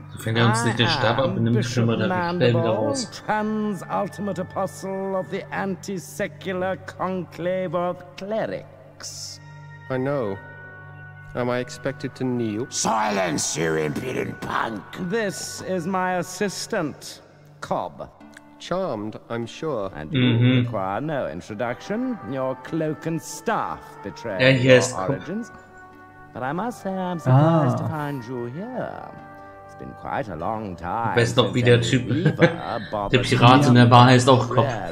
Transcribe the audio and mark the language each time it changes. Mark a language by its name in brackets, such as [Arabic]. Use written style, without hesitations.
[German] Fängt er uns nicht den Stab ab und nimmt schon mal den Stellen daraus. [English] Trans-ultimate apostle of the anti-secular conclave of clerics. I know. Am I expected to kneel? Silence, you impudent punk! This is my assistant, Cobb. Charmed, I'm sure. And you require no introduction. Your cloak and staff betray your origins. But I must say, I'm surprised to find you here. It's been quite a long time. [German] Best doch wie der Typ. Der Pirat in der Bar heißt auch Cobb.